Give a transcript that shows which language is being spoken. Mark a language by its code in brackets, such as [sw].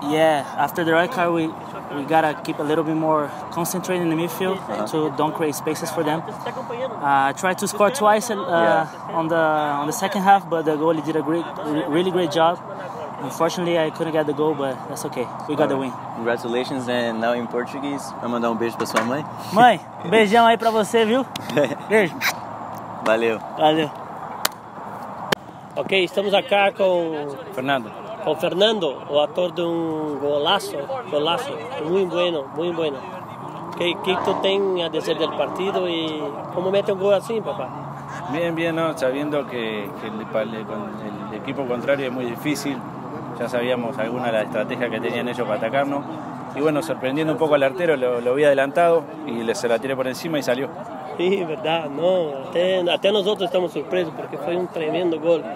[en] Yeah, after the red card, we got to keep a little bit more concentrated in the midfield to don't create spaces for them. Tried to score twice on the second half, but the goalie did a really great job. Unfortunately, I couldn't get the goal, but that's okay. We got the win. Congratulations, and now in Portuguese, I'm gonna [pt] um beijo pra sua mãe. Mãe, beijão aí pra você, viu? Beijo. Valeu. Valeu. [es] Ok, estamos acá com... Fernando. [pt] Com Fernando, o ator de golaço. Golaço. Muito bueno, muito bueno. Que tu tem a dizer do partido e como mete gol assim, papá? [es] Bien, bien, no, sabiendo que el equipo contrario es muy difícil, ya sabíamos alguna de las estrategias que tenían ellos para atacarnos. Y bueno, sorprendiendo un poco al artero, lo vi adelantado y se la tiré por encima y salió. Sí, verdad, no, até nosotros estamos sorpresos porque fue un tremendo gol.